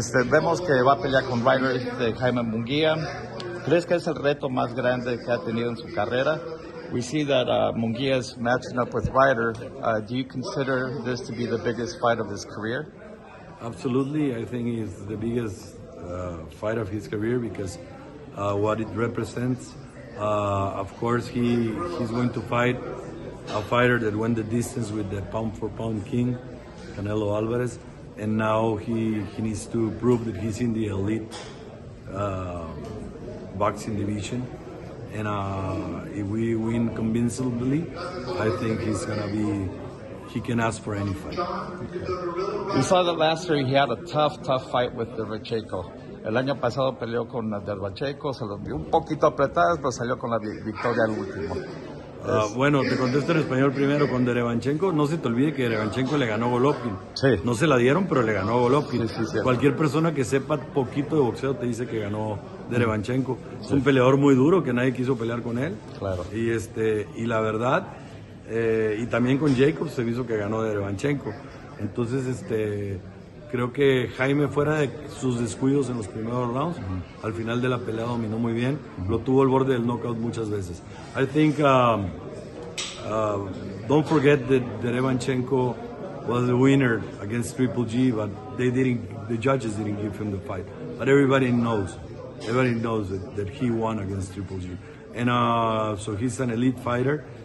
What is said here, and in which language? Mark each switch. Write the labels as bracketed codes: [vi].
[es] Vemos que va a pelear con Ryder de Jaime Munguía. ¿Crees que es el reto más grande que ha tenido en su carrera? [en] We see that Munguía is matching up with Ryder. Do you consider this to be the biggest fight of his career? Absolutely. I think it's the biggest fight of his career because what it represents. Of course, he's going to fight a fighter that went the distance with the pound-for-pound king, Canelo Alvarez, and now he needs to prove that he's in the elite boxing division. And if we win convincingly, I think he can ask for any fight. We saw that last year he had a tough, tough fight with Derevchenko. [es] El año pasado peleó con Derevchenko, se los vio un poquito apretados, pero salió con la victoria al último. Bueno, te contesto en español primero con Derevchenko. No se te olvide que Derevchenko le ganó a Golovkin. Sí. No se la dieron, pero le ganó a Golovkin. Sí, sí, cualquier persona que sepa poquito de boxeo te dice que ganó Derevchenko. Sí. Es un peleador muy duro que nadie quiso pelear con él. Claro. Y y la verdad, y también con Jacobs se hizo que ganó Derevchenko. Entonces, creo que Jaime, fuera de sus descuidos en los primeros rounds, uh-huh, al final de la pelea dominó muy bien, uh-huh, lo tuvo al borde del knockout muchas veces. [en] I think don't forget that Derevchenko was the winner against Triple G, but the judges didn't give him the fight. But everybody knows that he won against Triple G, and so he's an elite fighter.